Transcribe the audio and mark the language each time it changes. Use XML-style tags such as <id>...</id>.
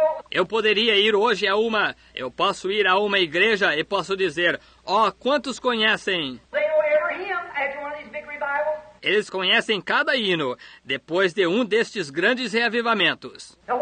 <pt>eu poderia ir hoje a uma, eu posso ir a uma igreja e posso dizer, oh, quantos conhecem?</pt> <en>They know every hymn at one of these big revivals.</en> <pt>Eles conhecem cada hino depois de um destes grandes reavivamentos.</pt>